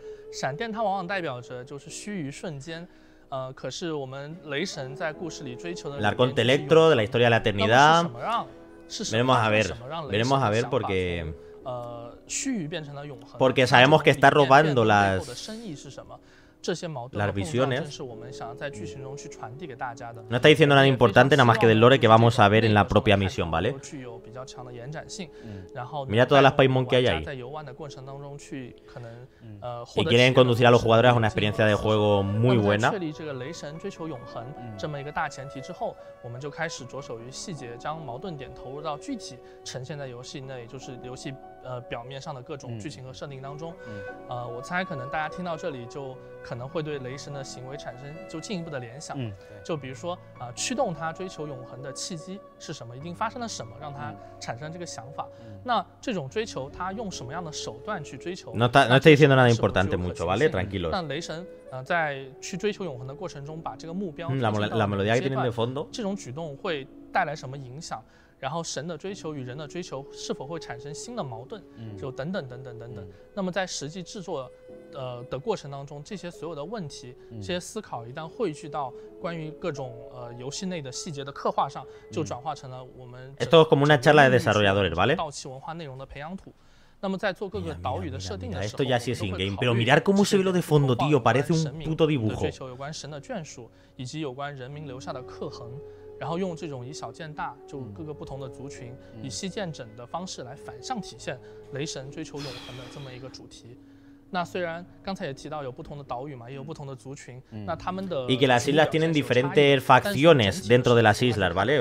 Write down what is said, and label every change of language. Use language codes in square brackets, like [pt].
[zh] 闪电它往往代表着就是须臾瞬间，可是我们雷神在故事里追求的。 [es] El arconte electro de la historia de la eternidad。 Veremos a ver, veremos a ver porque。 [zh] 须臾变成了永恒。 [es] Porque sabemos que está robando las。 [zh] 深意是什么？这些矛盾。 [es] Las visiones。 [zh] 正是我们想要在剧情中去传递给大家的。 [es] No está diciendo nada importante nada más que del lore que vamos a ver en la propia misión, ¿vale? [zh] 具有比较强的延展性。然后。 [es] Mira todas las Paimon que hay ahí。 [zh] 在游玩的过程当中去可能。 [es] Y quieren conducir a los jugadores a una experiencia de juego muy buena. [zh] 确立这个雷神追求永恒这么一个大前提之后，我们就开始着手于细节，将矛盾点投入到具体呈现在游戏内，就是游戏表面上的各种剧情和设定当中。我猜可能大家听到这里就可能会对雷神的行为产生就进一步的联想。就比如说驱动他追求永恒的契机是什么，一定发生了什么让他产生这个想法。那这种追求他用什么样的手段去追求？ [es] No estoy diciendo nada importante mucho, ¿vale? Tranquilo. [zh] 那雷神在去追求永恒的过程中把这个目标 [es] la melodía que tienen de fondo. [zh] 这种举动会带来什么影响？然后神的追求与人的追求是否会产生新的矛盾？就等等等等等等。那么在实际制作的过程当中，这些所有的问题，这些思考一旦汇聚到关于各种游戏内的细节的刻画上，就转化成了我们 [es] Esto es como una charla de desarrolladores, ¿vale? [zh] 道奇文化内容的培养土。那么在做各个岛屿的设定的时候， [es] Esto ya sí es in-game, pero mirar cómo se ve lo de fondo, tío, parece un puto dibujo. [zh] 追求有关神的眷属，以及有关人民留下的刻痕。然后用这种以小见大，就各个不同的族群以细见整的方式来反向体现雷神追求永恒的这么一个主题。那虽然刚才也提到有不同的岛屿嘛，也有不同的族群，那他们的 [es] y que las islas tienen diferentes facciones dentro de las islas, ¿vale?